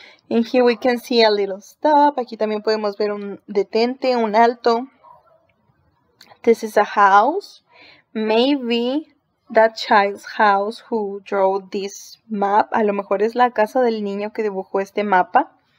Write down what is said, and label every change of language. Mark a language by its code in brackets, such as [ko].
[en] And here we can see a little stop. [es] Aquí también podemos ver un detente, un alto. [en] This is a house. Maybe that child's house who drew this map. [es] A lo mejor es la casa del niño que dibujó este mapa.